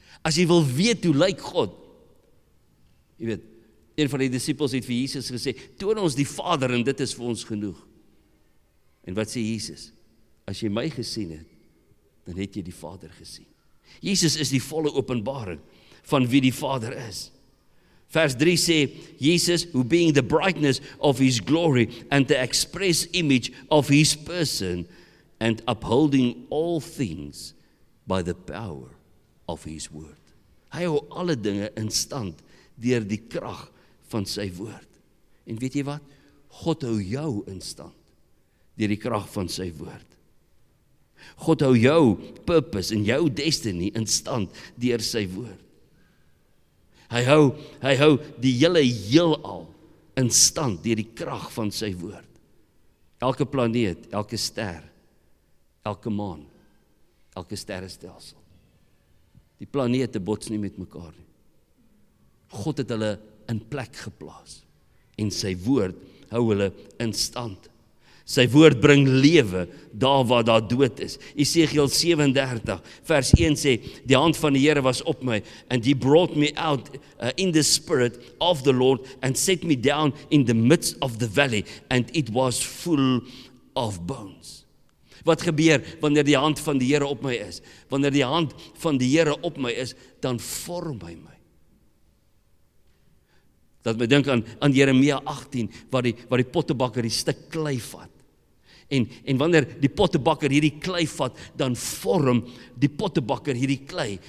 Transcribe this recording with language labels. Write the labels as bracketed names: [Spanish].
[Afrikaans] As jy wil weet hoe lyk God, jy weet, een van die disippels het vir Jesus gesê, toon ons die Vader en dit is vir ons genoeg. En wat sê Jesus? As jy my gesien het, dan het jy die Vader gesien. Jesus is die volle openbaring van wie die Vader is. Vers 3 sê, [English] Jesus, who being the brightness of his glory and the express image of his person, and upholding all things by the power of his word. [Afrikaans] Hy hou alle dinge in stand deur die krag van sy woord. En weet jy wat? God hou jou in stand deur die krag van sy woord. God hou jou purpose en jou destiny in stand deur sy woord. Hy hou die hele heelal in stand deur die krag van sy woord. Elke planeet, elke ster, elke maan, elke sterrestelsel. Die planete bots nie met mekaar nie. God het hulle in plek geplaas en sy woord hou hulle in stand. Sy woord bring lewe daar waar daar dood is. Esegiel 37 vers 1 sê, die hand van die Here was op my [English] and he brought me out in the spirit of the Lord and set me down in the midst of the valley and it was full of bones. [Afrikaans] Wat gebeur wanneer die hand van die Here op my is? Wanneer die hand van die Here op my is, dan vorm hy my. Dat my dink aan Jeremia 18, waar die pottebakker die stuk klei vat. En wanneer die pottebakker hierdie klei vat, dan vorm die pottebakker hierdie klei.